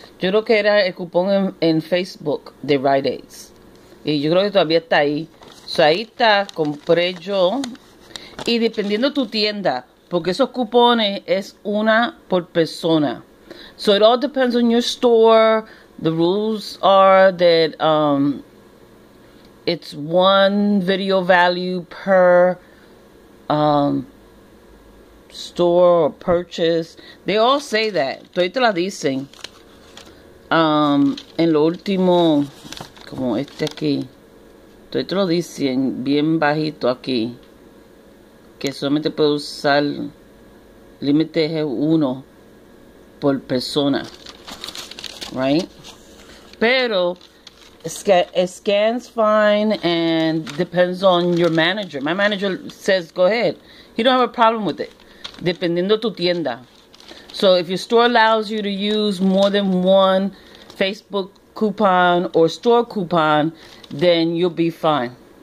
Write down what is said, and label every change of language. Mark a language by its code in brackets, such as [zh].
[es] Yo creo que era el cupón en Facebook de Rite Aids. Y yo creo que todavía está ahí. So ahí está, compré yo. Y dependiendo de tu tienda, porque esos cupones es una por persona. [en] So it all depends on your store. The rules are that it's one video value per store or purchase. They all say that. [es] Todos te la dicen. En lo último, como este aquí, todos te lo dicen bien bajito aquí, que solamente puedo usar, límite es uno por persona, right? [en] Pero scans fine and depends on your manager. My manager says go ahead. He don't have a problem with it. [es] Dependiendo tu tienda. [en] So if your store allows you to use more than one Facebook coupon or store coupon, then you'll be fine.